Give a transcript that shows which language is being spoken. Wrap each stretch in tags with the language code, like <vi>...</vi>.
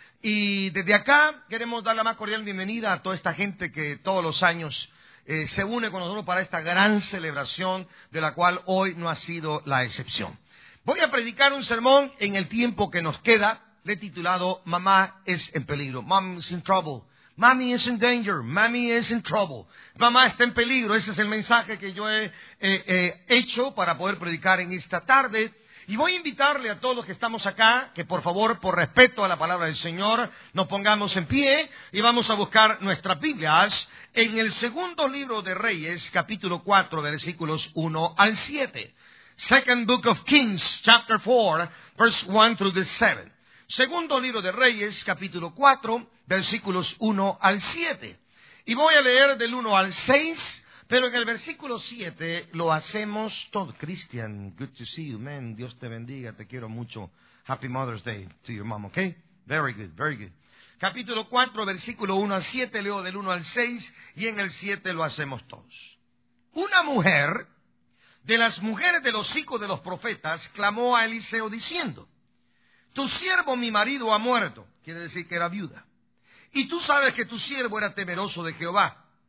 <es>Y desde acá queremos dar la más cordial bienvenida a toda esta gente que todos los años se une con nosotros para esta gran celebración, de la cual hoy no ha sido la excepción. Voy a predicar un sermón en el tiempo que nos queda. Le he titulado Mamá es en peligro,</es> <en>Mom's in trouble. Mommy is in danger, mommy is in trouble.</en> <es>Mamá está en peligro, ese es el mensaje que yo he hecho para poder predicar en esta tarde. Y voy a invitarle a todos los que estamos acá, que por favor, por respeto a la palabra del Señor, nos pongamos en pie y vamos a buscar nuestras Biblias en el segundo libro de Reyes, capítulo 4, versículos 1 al 7.</es> <en>Second Book of Kings, chapter 4, verse 1 through the 7.</en> <es>Segundo libro de Reyes, capítulo 4, versículos 1 al 7. Y voy a leer del 1 al 6, pero en el versículo 7 lo hacemos todo.</es> <en>Christian, good to see you, man.</en> <es>Dios te bendiga, te quiero mucho.</es> <en>Happy Mother's Day to your mom, okay? Very good, very good.</en> <es>Capítulo 4, versículo 1 al 7, leo del 1 al 6, y en el 7 lo hacemos todos. Una mujer de las mujeres de los hijos de los profetas clamó a Eliseo diciendo: tu siervo, mi marido, ha muerto. Quiere decir que era viuda. Y tú sabes que tu siervo era temeroso de Jehová.</es>